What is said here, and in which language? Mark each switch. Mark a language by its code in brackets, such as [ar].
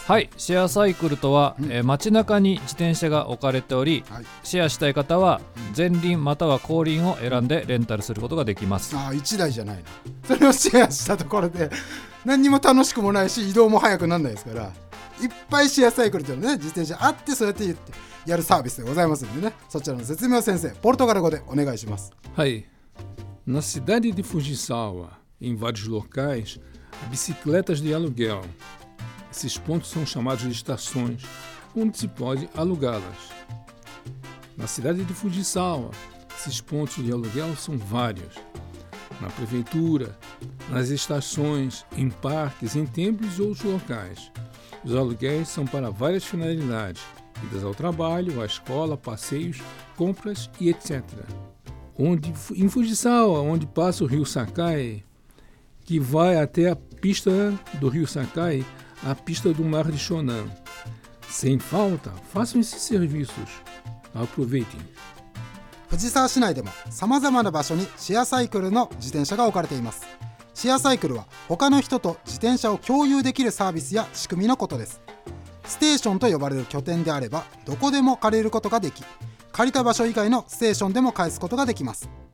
[ja] はい、シェアサイクルとは街中に自転車が置かれており、はい、シェアしたい方は前輪または後輪を選んでレンタルすることができます。ああ1台じゃないな。それをシェアしたところで何にも楽しくもないし移動も早くならないですから、いっぱいシェアサイクルというのね、自転車あってそうやって言ってやるサービスでございますんでね、そちらの説明を先生ポルトガル語でお願いします。はい。 [pt] Na cidade de Fujisawa, em vários locais, há bicicletas de aluguel. Esses pontos são chamados de estações, onde se pode alugá-las. Na cidade de Fujisawa, esses pontos de aluguel são vários. Na prefeitura, nas estações, em parques, em templos e outros locais. Os aluguéis são para várias finalidades, idas ao trabalho, à escola, passeios, compras e etc. Onde, em Fujisawa, onde passa o rio Sakai, que vai até a pista do rio Sakai, a pista do mar de Shonan. Sem falta, façam esses serviços. Aproveitem. [ja] Fujisawa 市内でも様々な場所にシェアサイクルの自転車が置かれています。シェアサイクルは他の人と自転車を共有できるサービスや仕組みのことです。ステーションと呼ばれる拠点であれば、どこでも借りることができ、借りた場所以外のステーションでも返すことができます。